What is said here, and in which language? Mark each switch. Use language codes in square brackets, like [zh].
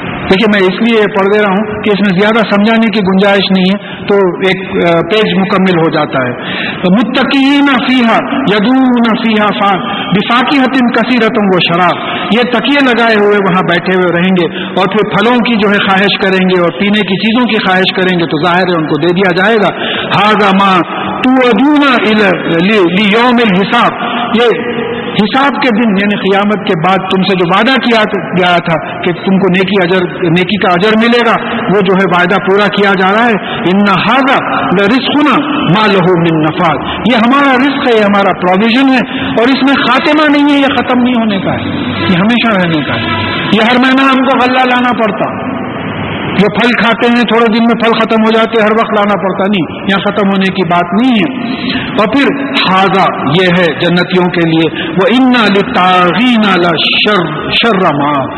[ur] دیکھیے میں اس لیے پڑھ دے رہا ہوں کہ اس میں زیادہ سمجھانے کی گنجائش نہیں ہے, تو ایک پیج مکمل ہو جاتا ہے. [ar] متقین فیہا یدعون فیہا بفاکہت کثیرۃ و شراب. [ur] یہ تکیے لگائے ہوئے وہاں بیٹھے ہوئے رہیں گے اور پھر پھلوں کی جو ہے خواہش کریں گے اور پینے کی چیزوں کی خواہش کریں گے, تو ظاہر ہے ان کو دے دیا جائے گا. [ar] ھذا ما توعدون لیوم الحساب. [ur] یہ حساب کے دن یعنی قیامت کے بعد تم سے جو وعدہ کیا گیا تھا کہ تم کو نیکی کا اجر ملے گا, وہ جو ہے وعدہ پورا کیا جا رہا ہے. [ar] ان ھذا لرزقنا ما له من نفاد. [ur] یہ ہمارا رزق ہے, یہ ہمارا پروویژن ہے, اور اس میں خاتمہ نہیں ہے, یہ ختم نہیں ہونے کا ہے, یہ ہمیشہ رہنے کا ہے. یہ ہر مہینہ ہم کو غلہ لانا پڑتا, جو پھل کھاتے ہیں تھوڑے دن میں پھل ختم ہو جاتے ہیں, ہر وقت لانا پڑتا نہیں, یہاں ختم ہونے کی بات نہیں ہے. اور پھر ھذا یہ ہے جنتیوں کے لیے. وہ [ar] انا لطاغین شر ما.